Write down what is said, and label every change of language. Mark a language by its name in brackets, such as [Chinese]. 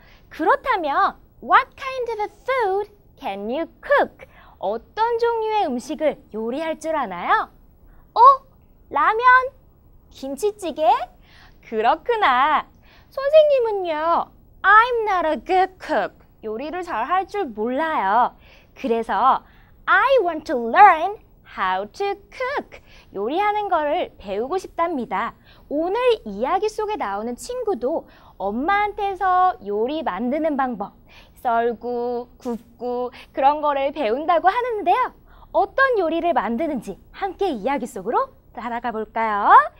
[Korean] 그렇다면, [English] what kind of a food can you cook? [Korean] 어떤 종류의 음식을 요리할 줄 아나요? 어? 라면? 김치찌개? 그렇구나. 선생님은요, [English] I'm not a good cook. [Korean] 요리를 잘 할 줄 몰라요. 그래서, [English] I want to learn how to cook. [Korean] 요리하는 거를 배우고 싶답니다. 오늘 이야기 속에 나오는 친구도 엄마한테서 요리 만드는 방법, 썰고 굽고 그런 거를 배운다고 하는데요. 어떤 요리를 만드는지 함께 이야기 속으로 따라가 볼까요?